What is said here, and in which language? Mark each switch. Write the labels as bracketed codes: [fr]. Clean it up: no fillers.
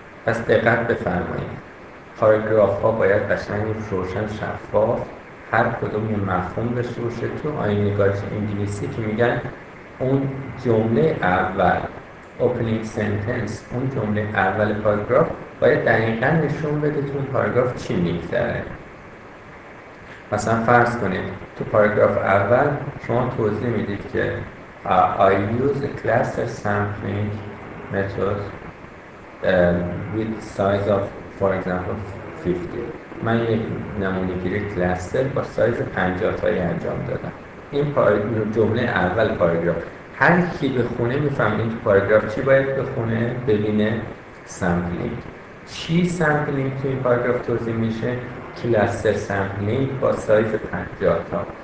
[fa] پس دقت بفرمایید، پاراگراف ها باید قشنگ روشن شفاف هر کدوم یه مفهوم داشته باشه. تو آیین نگارش انگلیسی که میگن اون جمله اول [en] opening sentence، [fa] اون جمله اول پاراگراف باید دقیقا نشون بده تو اون پاراگراف چی میگذره. مثلا فرض کنید تو پاراگراف اول شما توضیح میدید که [en] I use a cluster sampling method with size of for example 50. [fa] من یک نمونه گیری کلاستر با سایز 50 تایی انجام دادم. این جمله اول پاراگراف، هر کی بخونه میفهمه این تو پاراگراف چی باید بخونه ببینه. سامپلینگ چی؟ سامپلینگ تو این پاراگراف توضیح میشه کلاستر سامپلینگ با سایز 50 تا.